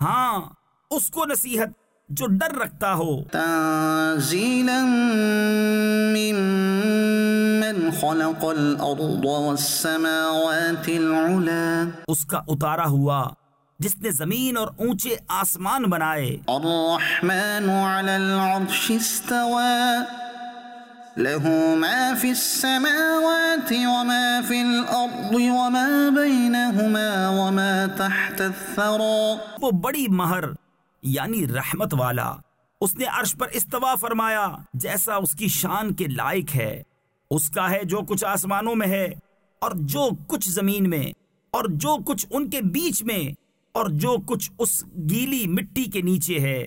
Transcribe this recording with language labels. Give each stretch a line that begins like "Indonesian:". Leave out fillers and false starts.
Urdu: ہاں, اس کو نصیحت جو ڈر رکھتا ہو.
Arabic: تنزیلا ممن خلق الارض والسماوات العلا.
Urdu: اس کا اتارا ہوا جس نے زمین اور اونچے آسمان بنائے.
Arabic: الرحمن علی العرش استوى له ما في السماوات وما في الارض وما بينهما وما تحت الثرى.
Urdu: وہ بڑی مہر یعنی رحمت والا, اس نے عرش پر استوا فرمایا جیسا اس کی شان کے لائق ہے. اس کا ہے جو کچھ آسمانوں میں ہے اور جو کچھ زمین میں اور جو کچھ ان کے بیچ میں اور جو کچھ اس گیلی مٹی کے نیچے ہے.